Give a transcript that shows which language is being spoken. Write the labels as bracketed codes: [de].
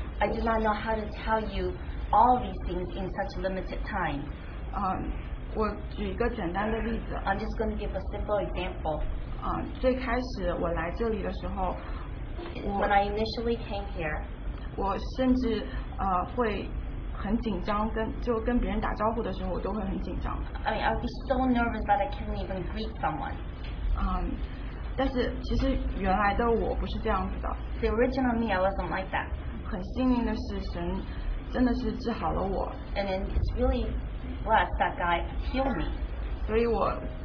[en] I do not know how to tell you all these things in such limited time. [zh] 我举一个简单的例子。 [en] I'm just going to give a simple example. [zh] 最开始我来这里的时候, [en] when I initially came here, [zh] 我甚至, 会很紧张跟别人打招呼的时候我都会很紧张。 [en] I mean, I'd be so nervous that I couldn't even greet someone. [zh] 但是其实原来的我不是这样子的。 [en] The original me, I wasn't like that. [zh] 很幸运的是神真的是治好了我。 [en] And then it's really blessed that God healed me.